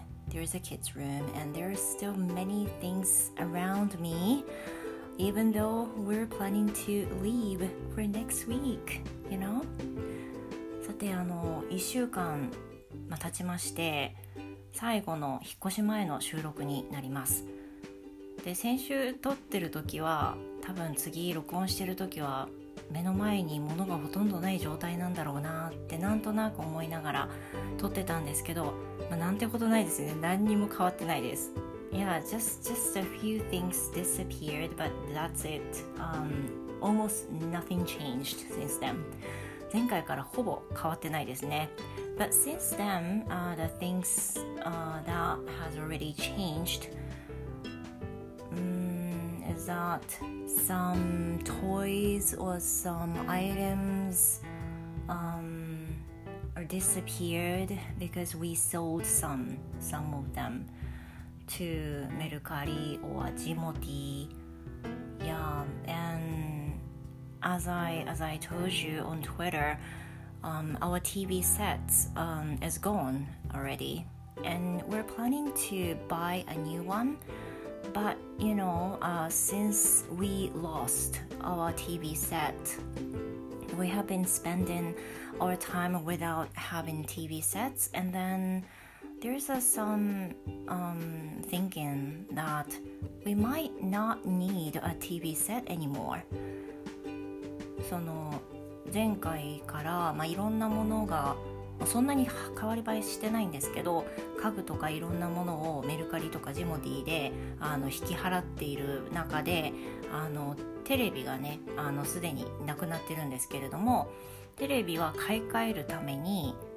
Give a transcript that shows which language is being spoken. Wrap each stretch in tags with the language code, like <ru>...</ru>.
<en>There is a kids room, and there are still many things around me. Even though we're planning to leave for next week, you know?</en> <ja>さて、1週間経ちまして、最後の引っ越し前の収録になります。で、先週撮ってる時は、多分次録音してる時は、目の前に物がほとんどない状態なんだろうなってなんとなく思いながら撮ってたんですけど、まあ、なんてことないですね。何にも変わってないです。</ja> <en>Yeah, just a few things disappeared, but that's it. Almost nothing changed since then.</en> <ja>前回からほぼ変わってないですね。</ja> <en>But since then, the things that has already changed is that some toys or some items are disappeared because we sold some of them. To Mercari or Jimoti, yeah. And as I told you on Twitter, our TV set is gone already, and we're planning to buy a new one. But you know, since we lost our TV set, we have been spending our time without having TV sets, and then. There's some thinking that we might not need a TV set anymore.</en> <ja>その前回から、まあ、いろんなものが、まあ、そんなに変わり映えしてないんですけど、家具とかいろんなものをメルカリとかジモディで引き払っている中で、テレビがね、すでになくなってるんですけれども、テレビは買い替えるために、</ja>